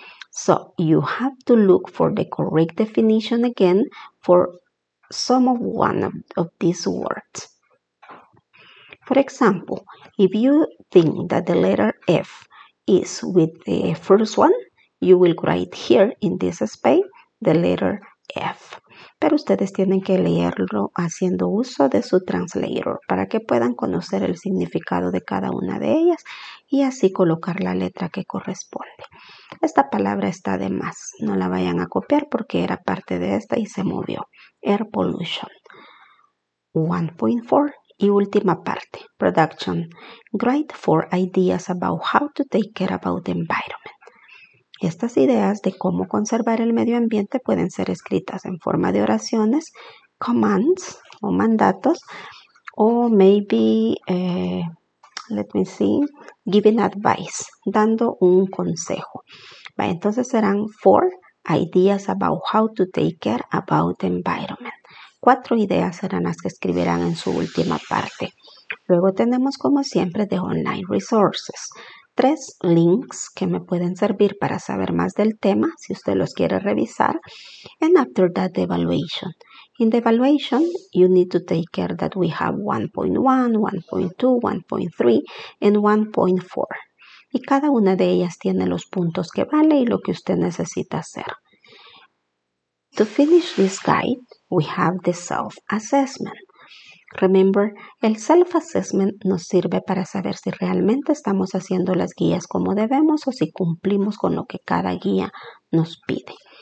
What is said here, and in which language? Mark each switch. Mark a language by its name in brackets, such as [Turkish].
[English] So, you have to look for the correct definition again for some of one of these words. For example, if you think that the letter F is with the first one, you will write here in this space the letter F. [Spanish] Pero ustedes tienen que leerlo haciendo uso de su translator para que puedan conocer el significado de cada una de ellas y así colocar la letra que corresponde. Esta palabra está de más. No la vayan a copiar porque era parte de esta y se movió. [English] Air pollution. 1.4. [Spanish] Y última parte, production. [English] Grade 4 ideas about how to take care about the environment. [Spanish] Estas ideas de cómo conservar el medio ambiente pueden ser escritas en forma de oraciones, commands o mandatos, o [English] maybe, let me see, giving advice, [Spanish] dando un consejo. Entonces serán 4 ideas [English] about how to take care about the environment. [Spanish] 4 ideas serán las que escribirán en su última parte. Luego tenemos, como siempre, de online resources. 3 links que me pueden servir para saber más del tema, si usted los quiere revisar. [English] And after that, the evaluation. In the evaluation, you need to take care that we have 1.1, 1.2, 1.3, and 1.4. [Spanish] Y cada una de ellas tiene los puntos que vale y lo que usted necesita hacer. [English] To finish this guide, we have the self-assessment. [Spanish] Remember, el self-assessment nos sirve para saber si realmente estamos haciendo las guías como debemos o si cumplimos con lo que cada guía nos pide.